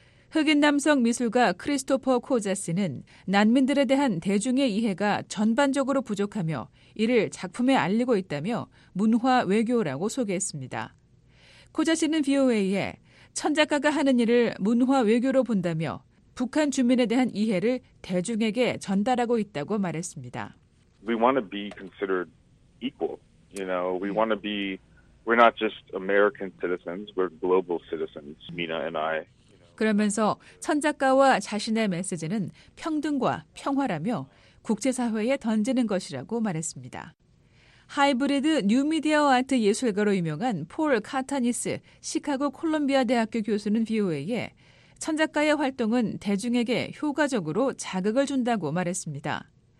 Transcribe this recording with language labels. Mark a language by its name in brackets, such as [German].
[Korean] 흑인 남성 미술가 크리스토퍼 코자스는 난민들에 대한 대중의 이해가 전반적으로 부족하며 이를 작품에 알리고 있다며 문화 외교라고 소개했습니다. 코자스는 VOA에 천 작가가 하는 일을 문화 외교로 본다며 북한 주민에 대한 이해를 대중에게 전달하고 있다고 말했습니다. [English] We want to be considered equal. You know, we want to be, we're not just American citizens, we're global citizens, Mina and I. [Korean] 그러면서 천 작가와 자신의 메시지는 평등과 평화라며 국제사회에 던지는 것이라고 말했습니다. 하이브리드 뉴미디어 아트 예술가로 유명한 폴 카타니스 시카고 콜롬비아 대학교 교수는 VOA에 천 작가의 활동은 대중에게 효과적으로 자극을 준다고 말했습니다.